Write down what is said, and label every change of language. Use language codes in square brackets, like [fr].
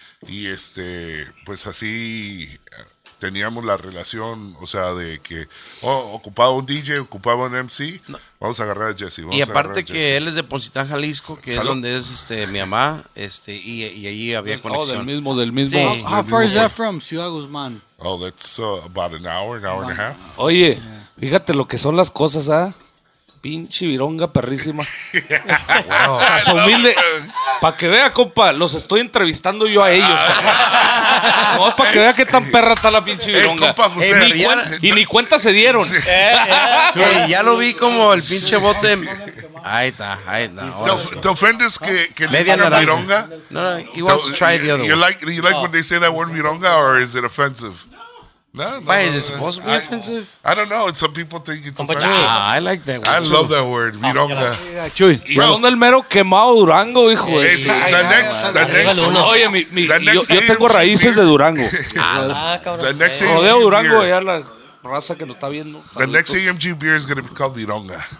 [es] Y, pues así teníamos la relación, o sea, de que ocupaba un DJ, ocupaba un MC. No. Vamos a agarrar a Jesse. Y aparte que él es de Poncitlán, Jalisco, que es donde es mi mamá, y allí había conexión. Oh, del mismo. [en] Sí. How far is that from Ciudad Guzmán? Oh, that's about an hour and a half. [es] Oye, fíjate lo que son las cosas, Pinche vironga perrísima. Wow. Caso humilde. Para que vea, compa, los estoy entrevistando yo a ellos. No, para que vea qué tan perra está la pinche vironga. Ni cuenta se dieron. Sí. Ya lo vi como el pinche bote. Ahí está. ¿Te ofendes que le digan vironga? [en] No, he wants to try the other one. You like when they say that word vironga, or is it offensive? No. Why, no, is it supposed to be offensive? I don't know. Some people think it's offensive. I like that word. I love that word. Vironga. [es] Chuy. ¿Dónde el mero quemado Durango, hijo? Hey, [en] the next. [es] Oye, yo tengo raíces de Durango. Cabrón. Rodeo Durango, ya la raza que nos está viendo. [en] The next AMG beer is going to be called Vironga.